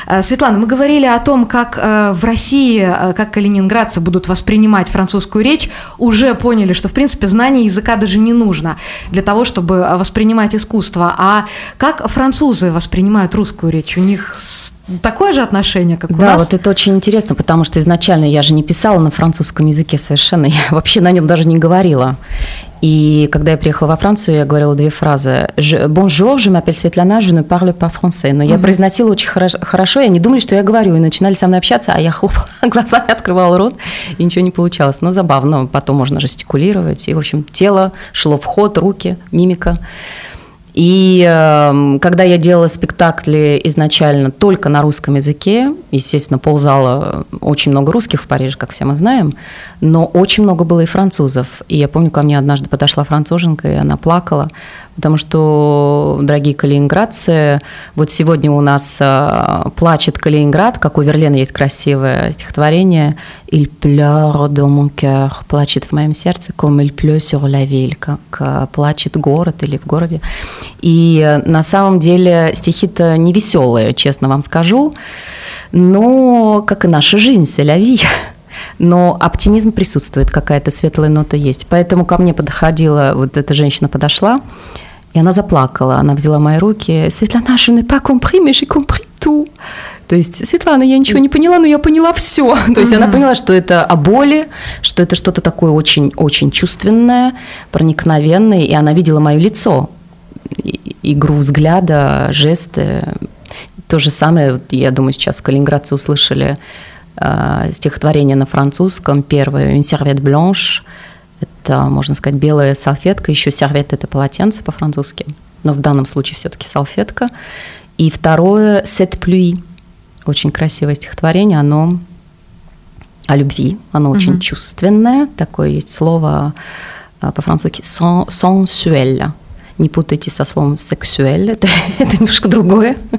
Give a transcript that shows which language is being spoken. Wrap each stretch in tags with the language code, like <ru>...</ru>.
<ru>Светлана, мы говорили о том, как в России, как калининградцы будут воспринимать французскую речь, уже поняли, что, в принципе, знание языка даже не нужно для того, чтобы воспринимать искусство. А как французы воспринимают русскую речь? У них такое же отношение, как у нас? Да, вот это очень интересно, потому что изначально я же не писала на французском языке совершенно, я вообще на нем даже не говорила. И когда я приехала во Францию, я говорила две фразы.</ru> <fr>«Bonjour, je m'appelle Светлана, je ne parle pas français».</fr> <ru>Но я произносила очень хорошо, и они думали, что я говорю, и начинали со мной общаться, а я хлопала глазами, открывала рот, и ничего не получалось. Но забавно, потом можно жестикулировать, и, в общем, тело шло в ход, руки, мимика. И когда я делала спектакли изначально только на русском языке, естественно, ползала очень много русских в Париже, как все мы знаем, но очень много было и французов. И я помню, ко мне однажды подошла француженка, и она плакала, потому что, дорогие калининградцы, вот сегодня у нас «Плачет Калининград», как у Верлена есть красивое стихотворение,</ru> <fr>«Il pleure dans mon cœur»,</fr> <ru>«Плачет в моем сердце»,</ru> <fr>«Comme il pleut sur la ville»,</fr> <ru>как «Плачет город» или «В городе». И на самом деле стихи-то не веселые, честно вам скажу, но как и наша жизнь,</ru> <fr>«C'est la vie».</fr> <ru>Но оптимизм присутствует, какая-то светлая нота есть. Поэтому ко мне подходила, вот эта женщина подошла, и она заплакала. Она взяла мои руки.</ru> <fr>«Светлана, je ne pas compris, mais j'ai compris tout».</fr> <ru>То есть, «Светлана, я ничего не поняла, но я поняла все». То есть, она поняла, что это о боли, что это что-то такое очень-очень чувственное, проникновенное. И она видела мое лицо, игру взгляда, жесты. То же самое, вот, я думаю, сейчас калининградцы услышали стихотворение на французском, первое</ru> <fr>«Une serviette blanche»,</fr> <ru>это, можно сказать, белая салфетка, еще «serviette» — это полотенце по-французски, но в данном случае все-таки салфетка, и второе</ru> <fr>«Cette pluie»,</fr> <ru>очень красивое стихотворение, оно о любви, оно очень чувственное, такое есть слово по-французски «sensuel», не путайте со словом «сексуэль», это немножко другое.</ru>